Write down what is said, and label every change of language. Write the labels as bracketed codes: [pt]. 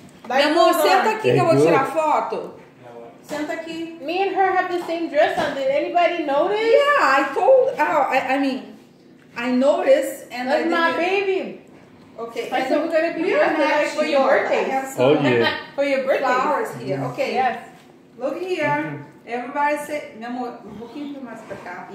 [pt] Meu amor, senta aqui que eu vou tirar foto. Senta aqui. [en] Me and her have the same dress on. Did anybody notice? Yeah, I told. I noticed. And that's my baby. Okay, so we're gonna be here for your birthday. Oh yeah. For your birthday. Flowers here. Yes. Okay. Yes. Look here. Okay. Everybody say, [pt] meu amor, um pouquinho mais pra cá.